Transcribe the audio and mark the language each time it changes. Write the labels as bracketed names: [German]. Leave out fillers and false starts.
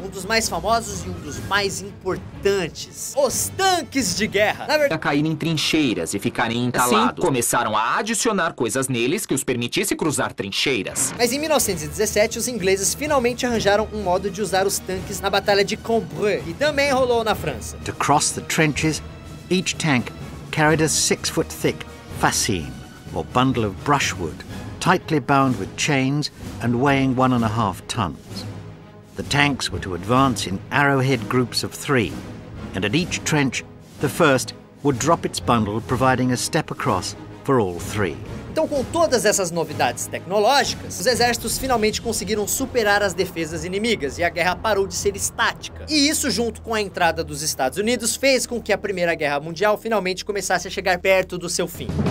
[Portuguese] Um dos mais famosos e um dos mais importantes. Os tanques de guerra. Na verdade, caíram em trincheiras e ficaram entalados. Assim, começaram a adicionar coisas neles que os permitissem cruzar trincheiras. Mas em 1917, os ingleses finalmente arranjaram um modo de usar os tanques na Batalha de Cambrai, e também rolou na França. [English] To cross the trenches, each tank carried a 6-foot thick fascine, or bundle of brushwood, tightly bound with chains and weighing 1.5 tons. The tanks were to advance in arrowhead groups of 3, and at each trench, the first would drop its bundle, providing a step across for all 3. [Portuguese] Então, com todas essas novidades tecnológicas, os exércitos finalmente conseguiram superar as defesas inimigas e a guerra parou de ser estática. E isso, junto com a entrada dos Estados Unidos, fez com que a Primeira Guerra Mundial finalmente começasse a chegar perto do seu fim.